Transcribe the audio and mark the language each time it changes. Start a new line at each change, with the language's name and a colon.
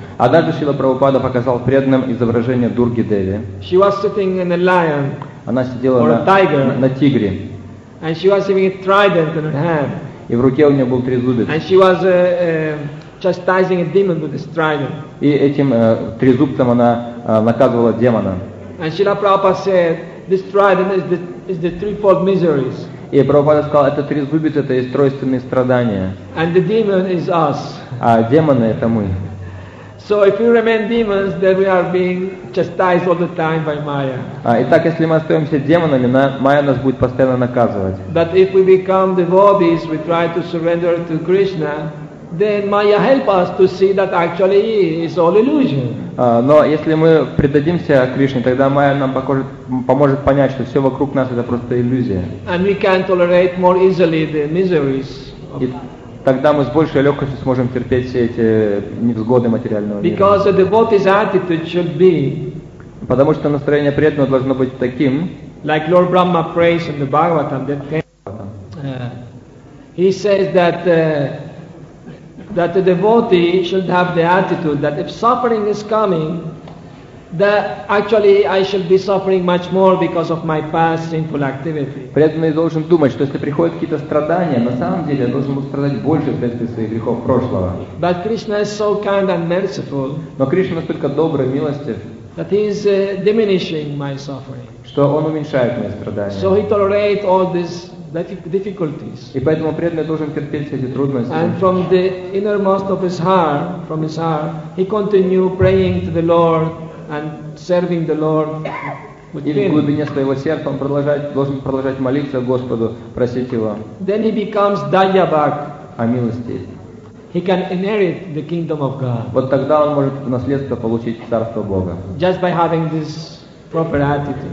Russian: Однажды Шрила Прабхупада показал преданным изображение Дурги Деви.
English: She was sitting in a lion.
Russian: Она сидела
English: or a tiger.
Russian: На тигре.
English: And she was having a trident in her hand.
Russian: И в руке у нее был трезубец.
English: And she was chastising a demon with this trident.
Russian: И этим трезубцем она наказывала демона.
English: And Srila Prabhupada said, this trident is the threefold miseries.
Russian: И Прабхупада сказал, это трезубец, это есть тройственные страдания.
English: And the demon is us.
Russian: А демоны это мы.
English: So if we remain demons, then we are being chastised all the time by Maya.
Russian: Итак, если мы остаемся демонами, Майя нас будет постоянно наказывать.
English: But if we become devotees, we try to surrender to Krishna, then Maya help us to see that actually it's all illusion.
Russian: Но если мы предадимся Кришне, тогда Майя нам поможет понять, что все вокруг нас это просто иллюзия.
English: And we can tolerate more easily the miseries.
Russian: Тогда мы с большей легкостью сможем терпеть все эти невзгоды материального мира.
English: Because the devotee's attitude should be,
Russian: потому что настроение преданного должно быть таким,
English: like Lord Brahma prays in the Bhagavatam, that came, he says that that the devotee should have the attitude that if suffering is coming, that actually I should be suffering much more because of my past sinful activity.
Russian: Преданный должен думать, что если приходят какие-то страдания, на самом деле я должен был страдать больше вследствие своих грехов прошлого.
English: But Krishna is so kind and merciful.
Russian: Но Кришна настолько добрый и милостив.
English: That he is diminishing my suffering.
Russian: Что он уменьшает мои страдания.
English: So he tolerates all these difficulties.
Russian: И поэтому преданный должен терпеть все эти трудности.
English: And from the innermost of his heart, he continues praying to the Lord. And serving the Lord.
Russian: И в глубине своего сердца он должен продолжать молиться Господу, просить Его.
English: Then he becomes Dayabhag.
Russian: О милости.
English: He can inherit the kingdom of God.
Russian: Вот тогда он может в наследство получить царство Бога.
English: Just by having this proper attitude.